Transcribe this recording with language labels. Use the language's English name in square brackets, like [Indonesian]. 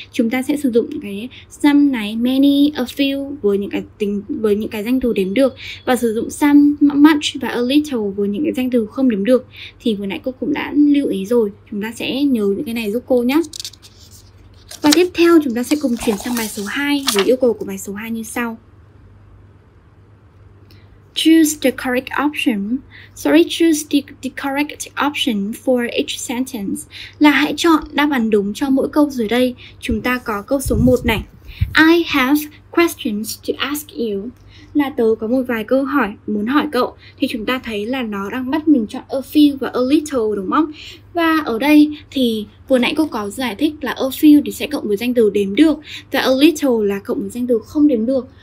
[Vietnamese] Chúng ta sẽ sử dụng cái some này, many, a few với những cái danh từ đếm được, và sử dụng some, much và a little với những cái danh từ không đếm được. Thì vừa nãy cô cũng đã lưu ý rồi, chúng ta sẽ nhớ những cái này giúp cô nhé. Và tiếp theo chúng ta sẽ cùng chuyển sang bài số 2 với yêu cầu của bài số 2 như sau. [English] Choose the correct option. Sorry, choose the correct option for each sentence. [Vietnamese] Là hãy chọn đáp án đúng cho mỗi câu dưới đây. Chúng ta có câu số 1 này. [English] I have questions to ask you. [Vietnamese] là tớ có một vài câu hỏi muốn hỏi cậu. Thì chúng ta thấy là nó đang bắt mình chọn a few và a little đúng không? Và ở đây thì vừa nãy cô có giải thích là a few thì sẽ cộng với danh từ đếm được và a little là cộng với danh từ không đếm được.